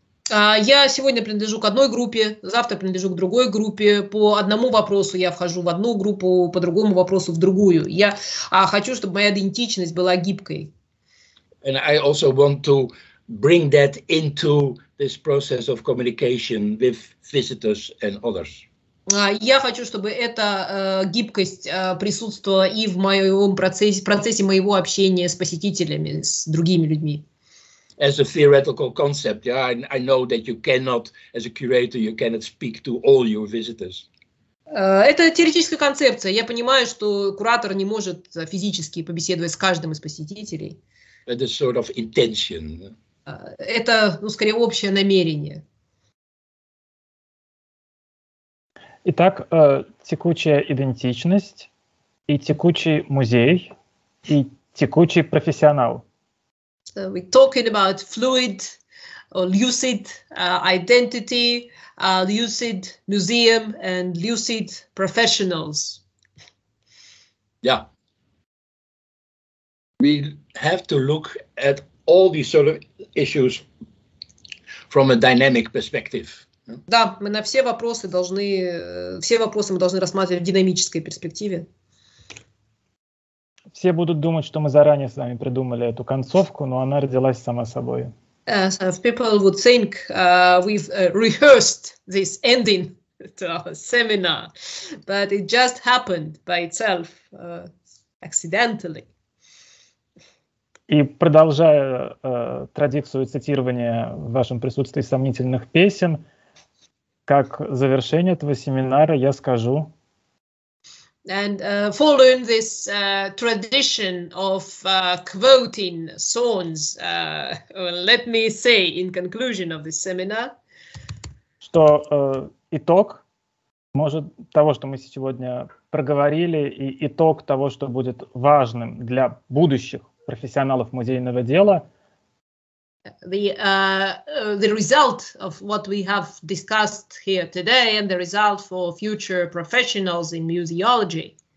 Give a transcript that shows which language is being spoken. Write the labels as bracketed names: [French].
[Russian] Я сегодня принадлежу к одной группе, завтра принадлежу к другой группе. По одному вопросу я вхожу в одну группу, по другому вопросу в другую. Я хочу, чтобы моя идентичность была гибкой. [English] And I also want to bring that into this process of communication with visitors and others. [Russian] Я хочу, чтобы эта гибкость присутствовала и в моем процессе моего общения с посетителями, с другими людьми. [English] as a theoretical concept. Yeah, I know that you cannot, as a curator, you cannot speak to all your visitors. [Russian] Это теоретическая концепция. Я понимаю, что куратор не может физически побеседовать с каждым из посетителей. [English] But a sort of intention. [Russian] Это, ну, скорее, общее намерение. Итак, текучая идентичность и текучий музей и текучий профессионал. [English] So we're talking about fluid or lucid identity, lucid museum and lucid professionals. Yeah. We have to look at all these sort of issues from a dynamic perspective. [Russian] Да, мы на все вопросы должны, все вопросы мы должны рассматривать в динамической перспективе. Все будут думать, что мы заранее с вами придумали эту концовку, но она родилась сама собой. [English] People would think we've rehearsed this ending to our seminar, but it just happened by itself, accidentally. [Russian] И продолжая традицию цитирования в вашем присутствии сомнительных песен, как завершение этого семинара я скажу. [English] And following this tradition of quoting songs, let me say in conclusion of this seminar, [Russian] что итог может того, что мы сегодня проговорили, и итог того, что будет важным для будущих профессионалов музейного дела. [English] The result of what we have discussed here today and the result for future professionals in museology.